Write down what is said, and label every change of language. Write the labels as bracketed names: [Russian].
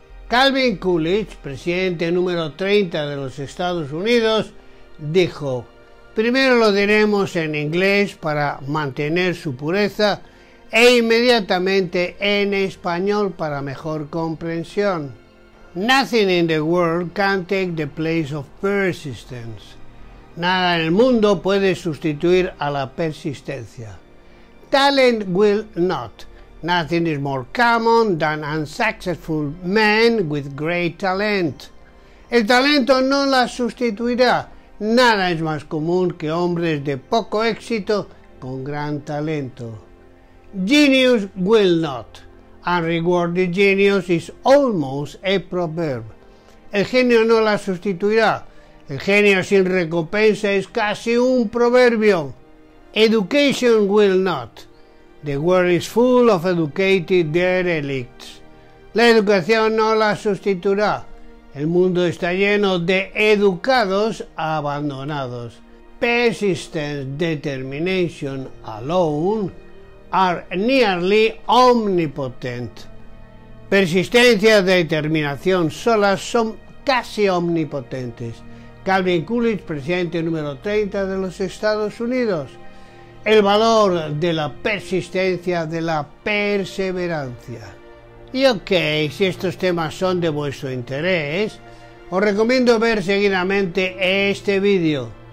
[Spanish] Calvin Coolidge, presidente número 30 de los Estados Unidos, dijo: primero lo diremos en inglés para mantener su pureza e inmediatamente en español para mejor comprensión. [English] Nothing in the world can take the place of persistence. [Spanish] Nada en el mundo puede sustituir a la persistencia. [English] Talent will not. Nothing is more common than unsuccessful men with great talent. [Spanish] El talento no la sustituirá. Nada es más común que hombres de poco éxito con gran talento. [English] Genius will not. Unrewarded genius is almost a proverb. [Spanish] El genio no la sustituirá. El genio sin recompensa es casi un proverbio. [English] Education will not. The world is full of educated derelicts. [Spanish] La educación no la sustituirá. El mundo está lleno de educados abandonados. [English] Persistence, determination alone are nearly omnipotent. [Spanish] Persistencia, determinación solas son casi omnipotentes. Calvin Coolidge, presidente número 30 de los Estados Unidos. El valor de la persistencia, de la perseverancia. Y ok, si estos temas son de vuestro interés, os recomiendo ver seguidamente este vídeo.